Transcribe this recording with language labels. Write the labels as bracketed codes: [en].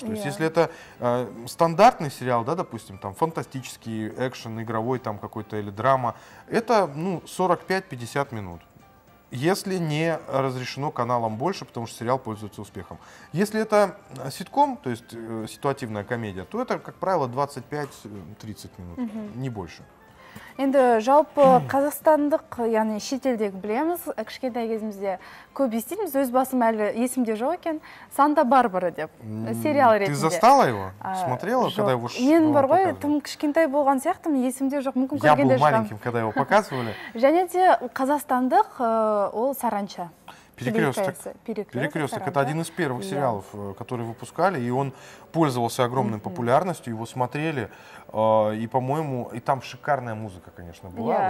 [ru] То есть, если это стандартный сериал, да, допустим, там, фантастический, экшен, игровой там какой-то или драма, это, ну, 45-50 минут. Если не разрешено каналом больше, потому что сериал пользуется успехом. Если это ситком, то есть ситуативная комедия, то это, как правило, 25-30 минут, не больше. [kk] Енді жалпы қазақстандық, яғни шетелдегі білеміз, кішкентай кезімізде көп естейміз, өз басым әлі есімде жоқ екен, Санта-Барбара деп, сериал ретінде. [ru] Ты застала его? Смотрела, когда его показывали? [kk] Мен бар ғой, тым кішкентай болған сияқты, мен есімде жоқ, мүмкін көргенде шығам. [ru] Я был маленьким, когда его показывали. [kk] Және де қазақстандық ол Саранча. [ru] Перекресток. Это один из первых сериалов, которые выпускали, и он пользовался огромной популярностью. Его смотрели, и, по-моему, и там шикарная музыка, конечно, была.